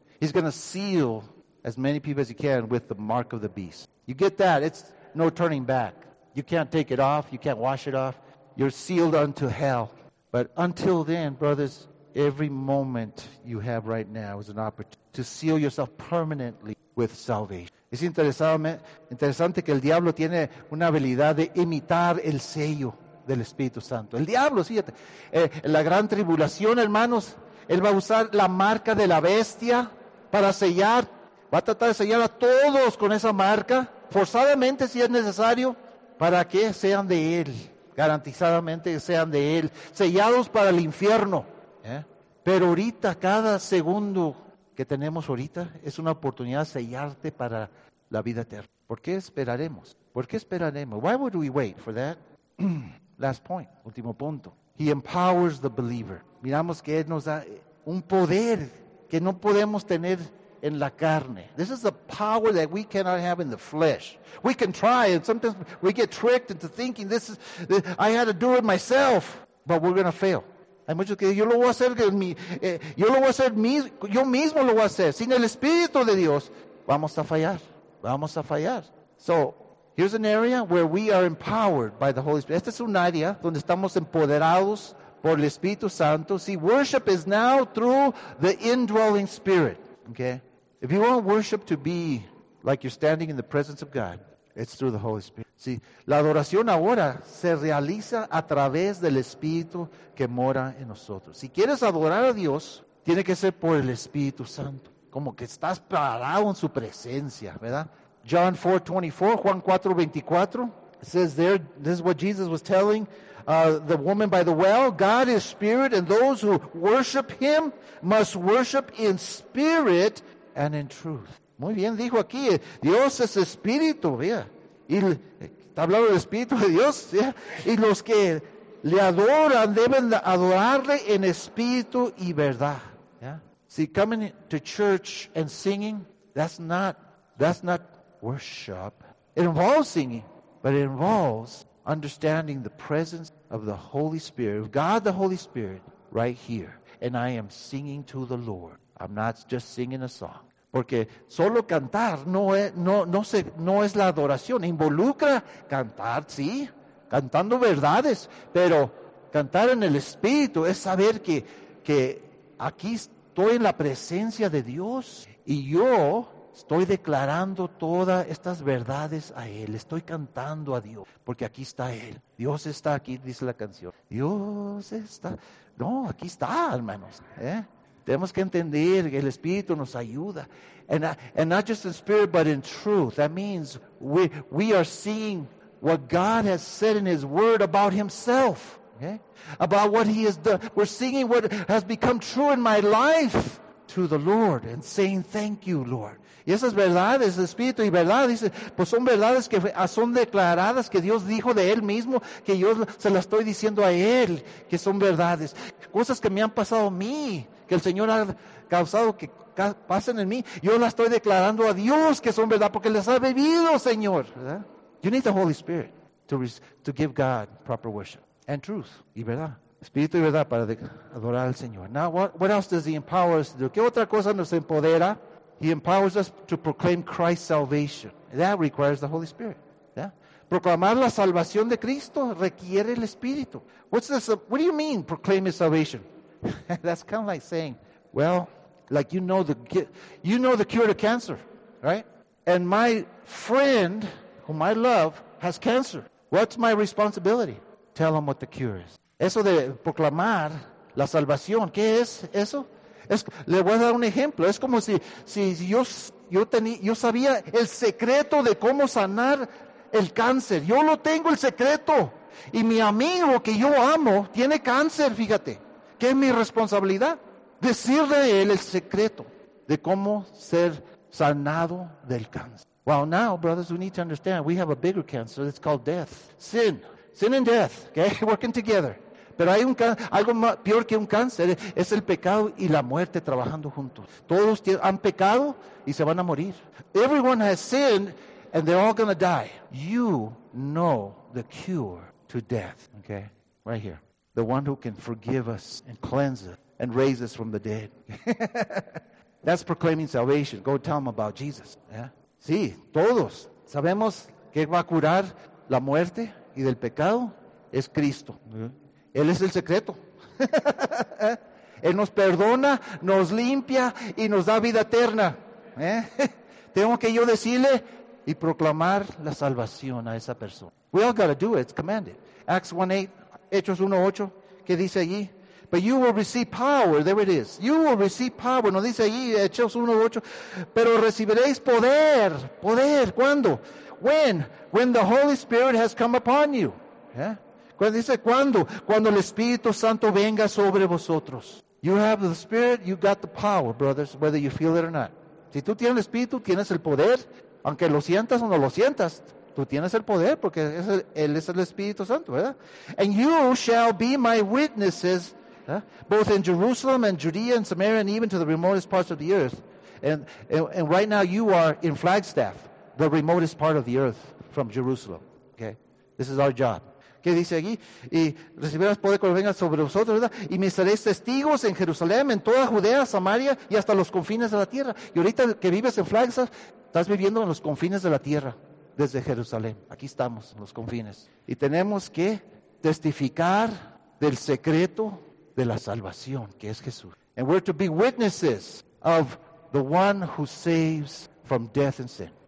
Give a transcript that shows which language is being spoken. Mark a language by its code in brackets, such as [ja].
[en] He's going to seal as many people as he can with the mark of the beast. You get that? It's no turning back. You can't take it off. You can't wash it off. You're sealed unto hell. But until then, brothers, every moment you have right now is an opportunity to seal yourself permanently with salvation. [es] Es interesante que el diablo tiene una habilidad de imitar el sello del Espíritu Santo. El diablo, fíjate, la gran tribulación, hermanos, él va a usar la marca de la bestia. Para sellar, va a tratar de sellar a todos con esa marca, forzadamente si es necesario, para que sean de él, garantizadamente sean de él, sellados para el infierno. ¿Eh? Pero ahorita, cada segundo que tenemos ahorita, es una oportunidad de sellarte para la vida eterna. ¿Por qué esperaremos? ¿Por qué esperaremos? [en] Why would we wait for that? Last point. [es] Último punto. [en] He empowers the believer. [es] Miramos que Él nos da un poder que no podemos tener en la carne. [en] This is a power that we cannot have in the flesh. We can try, and sometimes we get tricked into thinking this is, I had to do it myself, but we're going to fail. [es] Hay muchos que yo lo voy a hacer en mi, yo lo voy a hacer yo mismo lo voy a hacer sin el Espíritu de Dios. Vamos a fallar. Vamos a fallar. [en] So, here's an area where we are empowered by the Holy Spirit. [es] Esta es un área donde estamos empoderados por el Espíritu Santo. [en] See, worship is now through the indwelling Spirit. Okay? If you want worship to be like you're standing in the presence of God, it's through the Holy Spirit. [es] See, la adoración ahora se realiza a través del Espíritu que mora en nosotros. Si quieres adorar a Dios, tiene que ser por el Espíritu Santo. Como que estás parado en su presencia, ¿verdad? [en] John 4:24, Juan 4:24, says there, this is what Jesus was telling the woman by the well, God is spirit, and those who worship him must worship in spirit and in truth. [es] Muy bien, dijo aquí, Dios es espíritu, vea. Y está hablando del Espíritu de Dios, ¿ya? Y los que le adoran deben adorarle en espíritu y verdad. ¿Ya? [en] See, coming to church and singing, that's not worship. It involves singing, but it involves understanding the presence of the Holy Spirit, of God the Holy Spirit, right here. And I am singing to the Lord. I'm not just singing a song. [es] Porque solo cantar no es la adoración. Involucra cantar, sí, cantando verdades. Pero cantar en el Espíritu es saber que aquí estoy en la presencia de Dios y yo estoy declarando todas estas verdades a Él. Estoy cantando a Dios porque aquí está Él. Dios está aquí, dice la canción. Dios está. No, aquí está, hermanos, ¿eh? Tenemos que entender que el Espíritu nos ayuda. [en] And not just in spirit, but in truth. That means we are seeing what God has said in His Word about Himself. Okay? About what He has done. We're seeing what has become true in my life to the Lord. And saying, thank you, Lord. [es] Y esas verdades, el Espíritu y verdad, dice, pues son verdades que son declaradas, que Dios dijo de Él mismo, que yo se las estoy diciendo a Él, que son verdades. Cosas que me han pasado a mí. Que el Señor ha causado que pasen en mí. Yo la estoy declarando a Dios que son verdad porque les ha bebido, Señor. ¿Verdad? [en] You need the Holy Spirit to give God proper worship and truth. [es] Y verdad. Espíritu y verdad para adorar al Señor. [en] Now, what else does He empower us to do? [es] ¿Qué otra cosa nos empodera? [en] He empowers us to proclaim Christ's salvation. That requires the Holy Spirit. ¿Verdad? [es] Proclamar la salvación de Cristo requiere el Espíritu. [en] What do you mean, proclaim His salvation? That's kind of like saying, well, like you know the cure to cancer, right? And my friend, whom I love, has cancer. What's my responsibility? Tell him what the cure is. [es] Eso de proclamar la salvación, ¿qué es eso? Le voy a dar un ejemplo. Es como si yo sabía el secreto de cómo sanar el cáncer. Yo lo tengo el secreto. Y mi amigo que yo amo tiene cáncer, fíjate. ¿Qué es mi responsabilidad? Decirle a él el secreto de cómo ser sanado del cáncer. [en] Well, now, brothers, we need to understand, we have a bigger cancer. It's called death. Sin. Sin and death. Okay? Working together. [es] Pero hay algo más, peor que un cáncer. Es el pecado y la muerte trabajando juntos. Todos han pecado y se van a morir. [en] Everyone has sinned and they're all going to die. You know the cure to death. Okay? Right here. The one who can forgive us and cleanse us and raise us from the dead. That's proclaiming salvation. Go tell them about Jesus. Yeah? [es] Sí, todos sabemos que va a curar la muerte y del pecado es Cristo. Él es el secreto. Él nos perdona, nos limpia y nos da vida eterna. ¿Eh? Tengo que yo decirle y proclamar la salvación a esa persona. [en] We all got to do it. It's commanded. Acts 1:8. Hechos 1:8, [es] ¿qué dice allí? [en] But you will receive power, there it is. You will receive power, [es] no dice allí, Hechos 1:8, pero recibiréis poder, poder, ¿cuándo? [en] When the Holy Spirit has come upon you. [es] ¿Eh? ¿Cuándo dice cuándo? Cuando el Espíritu Santo venga sobre vosotros. [en] You have the Spirit, you got the power, brothers, whether you feel it or not. [es] Si tú tienes el Espíritu, tienes el poder Aunque lo sientas o no lo sientas, tú tienes el poder porque él es el Espíritu Santo, ¿verdad? [en] And you shall be my witnesses, both in Jerusalem and Judea and Samaria and even to the remotest parts of the earth. And right now you are in Flagstaff, the remotest part of the earth from Jerusalem. Okay, this is our job. [es] ¿Qué dice aquí? Y recibirás poder cuando venga sobre vosotros, ¿verdad? Y me seréis testigos en Jerusalén, en toda Judea, Samaria y hasta los confines de la tierra. Y ahorita que vives en Flagstaff, estás viviendo en los confines de la tierra, desde Jerusalén. Aquí estamos, en los confines. Y tenemos que testificar del secreto de la salvación, que es Jesús. [en] And we're to be witnesses of the one who saves from death and sin.